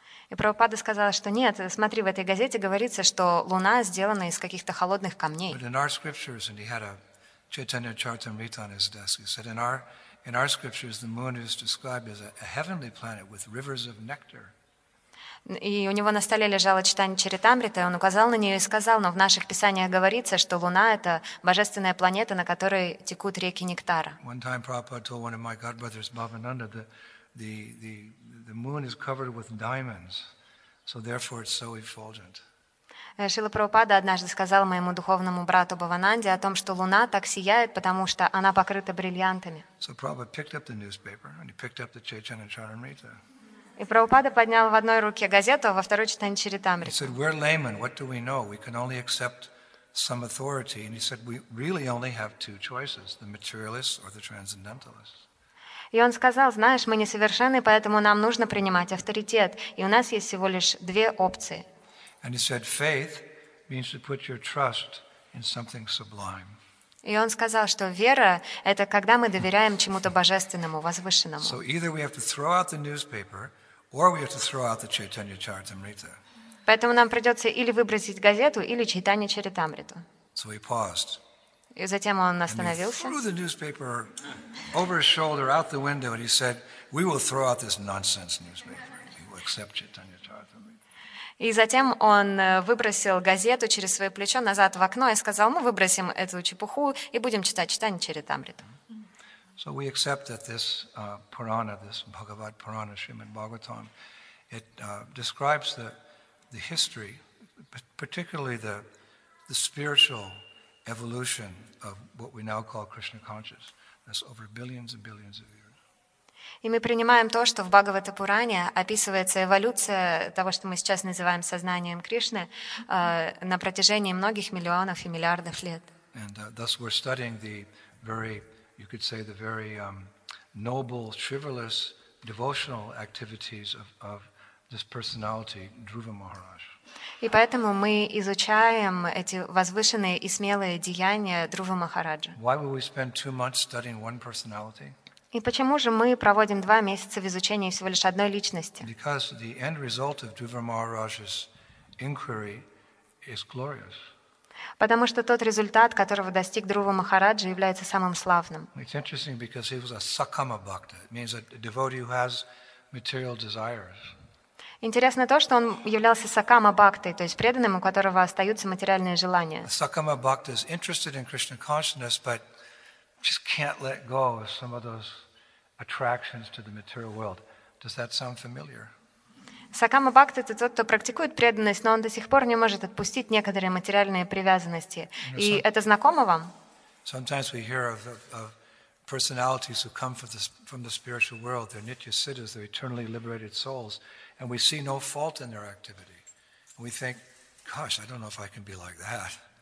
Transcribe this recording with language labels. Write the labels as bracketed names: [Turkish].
[Russian] И Прабхупада сказал, что нет, смотри, в этой газете говорится, что Луна сделана из каких-то холодных камней. [English] But in our scriptures, and he had a Chaitanya Charitamrita on his desk, he said, in our scriptures, the moon is described as a heavenly planet with rivers of nectar. [Russian] И у него на столе лежало читание Чаритамриты, и он указал на нее и сказал, но в наших писаниях говорится, что Луна — это божественная планета, на которой текут реки нектара. [English] One time Prabhupada told one of my godbrothers, Bhavananda, the moon is covered with diamonds, so therefore it's so effulgent. [Russian] Шрила Прабхупада однажды сказал моему духовному брату Бхавананде о том, что Луна так сияет, потому что она покрыта бриллиантами. [English] So Prabhupada picked up the newspaper and he picked up the Chaitanya Charitamrita. [Russian] И Прабхупада поднял в одной руке газету, а во второй Чайтанья Чаритамриту. [English] He said, "We're laymen. What do we know? We can only accept some authority." And he said, "We really only have two choices: the materialists or the transcendentalists." [Russian] И он сказал: «Знаешь, мы несовершенны, поэтому нам нужно принимать авторитет. И у нас есть всего лишь две опции». [English] And he said, "Faith means to put your trust in something sublime." [Russian] И он сказал, что вера — это когда мы доверяем чему-то божественному, возвышенному. [English] So either we have to throw out the newspaper, or we have to throw out the Chaitanya Charitamrita. [Russian] Поэтому нам придется или выбросить газету, или Чайтанья Чаритамриту. [English] So he paused. [Russian] И затем он остановился. [English] And he threw the newspaper over his shoulder out the window, and he said, "We will throw out this nonsense newspaper. We will accept Chaitanya Charitamrita." [Russian] И затем он выбросил газету через свое плечо назад в окно и сказал: "Мы выбросим эту чепуху и будем читать Чайтанья Чаритамриту." [English] So we accept that this Purana, this Bhagavad Purana, Srimad Bhagavatam, it describes the history, particularly the spiritual evolution of what we now call Krishna consciousness over billions and billions of years. [Russian] И мы принимаем то, что в Бхагавата Пуране описывается эволюция того, что мы сейчас называем сознанием Кришны, на протяжении многих миллионов и миллиардов лет. [English] And thus we're studying the very, you could say, the very noble, frivolous, devotional activities of this personality, Dhruva Maharaj. [Russian] И поэтому мы изучаем эти возвышенные и смелые деяния Дхрувы Махараджа. [English] Why would we spend 2 months studying one personality? [Russian] И почему же мы проводим 2 месяца в изучении всего лишь одной личности? [English] Because the end result of Dhruva Maharaj's inquiry is glorious. [Russian] Потому что тот результат, которого достиг Дхрува Махараджа, является самым славным. [English] It's interesting because he was a Sakama Bhakta. It means a devotee who has material desires. [Russian] Интересно то, что он являлся Сакама Бхактой, то есть преданным, у которого остаются материальные желания. [English] Sakama Bhakta is interested in Krishna consciousness, but just can't let go of some of those attractions to the material world. Does that sound familiar? [Russian] Сакама Бхакта — это тот, кто практикует преданность, но он до сих пор не может отпустить некоторые материальные привязанности. И это знакомо вам? [English] Sometimes we hear of personalities who come from the spiritual world. They're nitya siddhas, they're eternally liberated souls, and we see no fault in their activity. And we think, gosh, I don't know if I can be like that.